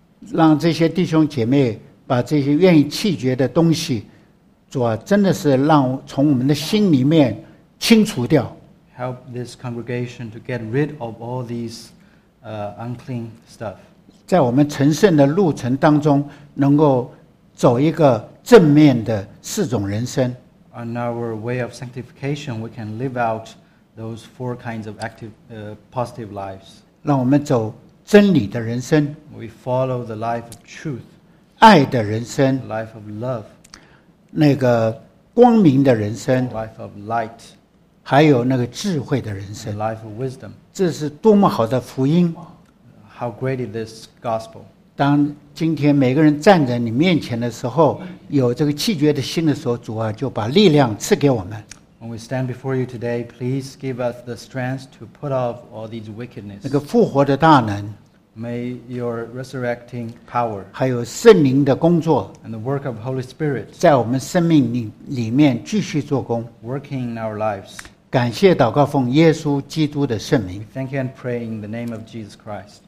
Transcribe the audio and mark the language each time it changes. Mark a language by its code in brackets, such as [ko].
[zh] 让这些弟兄姐妹把这些愿意弃绝的东西，主啊，真的是让从我们的心里面清除掉。 [en] Help this congregation to get rid of all these unclean stuff. [zh] 在我们成圣的路程当中，能够走一个正面的四种人生。 [en] On our way of sanctification, we can live out those four kinds of active, positive lives. [zh] 让我们走真理的人生。 [en] We follow the life of truth. [zh] 爱的人生。 [en] Life of love. [zh] 那个光明的人生。 [en] Life of light. [zh] 还有那个智慧的人生 [en] life of wisdom. [zh] 这是多么好的福音 [en] How great is this gospel? [zh] 当今天每个人站在你面前的时候有这个弃绝的心的时候主啊就把力量赐给我们 [en] When we stand before you today please give us the strength to put off all these wickedness [zh] 那个复活的大能 [en] May your resurrecting power [zh] 还有圣灵的工作 [en] and the work of Holy Spirit [zh] 在我们生命里面继续做工 [en] working in our lives [zh] 感谢祷告奉耶稣基督的圣名 [en] Thank you and pray in the name of Jesus Christ